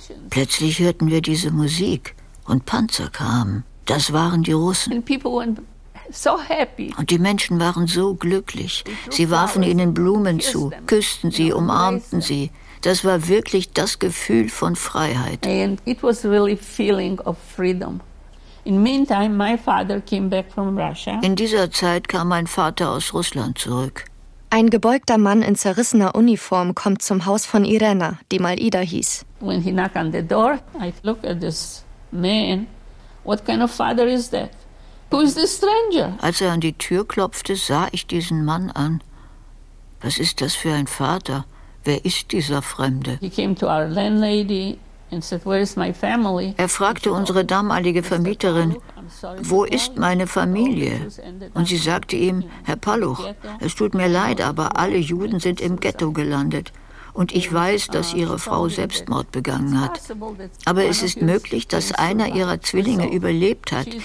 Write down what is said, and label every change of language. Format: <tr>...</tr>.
<de>Plötzlich hörten wir diese Musik und Panzer kamen. Das waren die Russen. Und die Menschen waren so glücklich. Sie warfen ihnen Blumen zu, küssten sie, umarmten sie. Das war wirklich das Gefühl von Freiheit.</de> <en>And it was really feeling of freedom. In meantime, my father came back from Russia.</en> <de>In dieser Zeit kam mein Vater aus Russland zurück. Ein gebeugter Mann in zerrissener Uniform kommt zum Haus von Irena, die mal Ida hieß.</de> <en>When he knocked on the door, I look at this man. What kind of father is that? Who is this stranger?</en> <de>Als er an die Tür klopfte, sah ich diesen Mann an. Was ist das für ein Vater? Wer ist dieser Fremde?</de> <en>He came to our landlady and said, "Where is my family?"</en> <de>Er fragte unsere damalige Vermieterin, wo ist meine Familie? Und sie sagte ihm, Herr Paluch, es tut mir leid, aber alle Juden sind im Ghetto gelandet. Und ich weiß, dass ihre Frau Selbstmord begangen hat. Aber es ist möglich, dass einer ihrer Zwillinge überlebt hat.</de>